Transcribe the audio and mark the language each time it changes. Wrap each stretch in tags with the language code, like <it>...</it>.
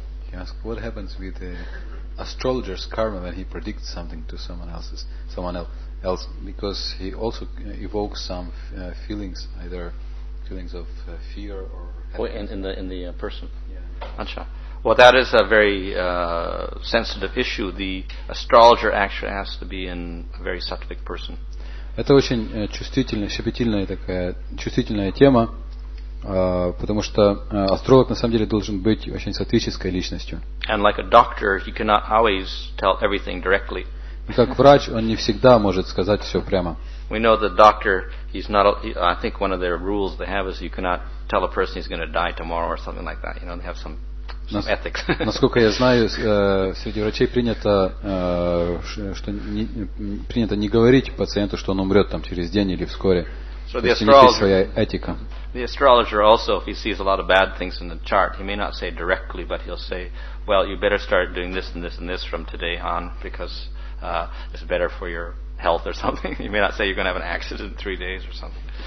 <en>He asked, what happens with the astrologer's karma when he predicts something to someone else, because he also evokes some feelings, either feelings of fear or in the person. Yeah. Acha. Well, that is a very sensitive issue. The astrologer actually has to be in a very sattvic person.</en> <ru>Это очень чувствительная, щепетильная такая чувствительная тема, потому что астролог на самом деле должен быть очень сатвической личностью.</ru> <en>And like a doctor, he cannot always tell everything directly.</en> <ru>Как врач, он не всегда может сказать все прямо.</ru> <en>We know the doctor, he's not, I think one of their rules they have is you cannot tell a person he's going to die tomorrow or something like that. You know, they have some ethics.</en> <ru>Насколько я знаю, среди врачей принято, что принято не говорить пациенту, что он умрет там через день или вскоре.</ru> <en>So the astrologer,</en> <ru>этика.</ru> <en>The astrologer also, if he sees a lot of bad things in the chart, he may not say directly, but he'll say, well, you better start doing this and this and this from today on, because it's better for your health or something. You may not say you're going to have an accident in 3 days or something.</en>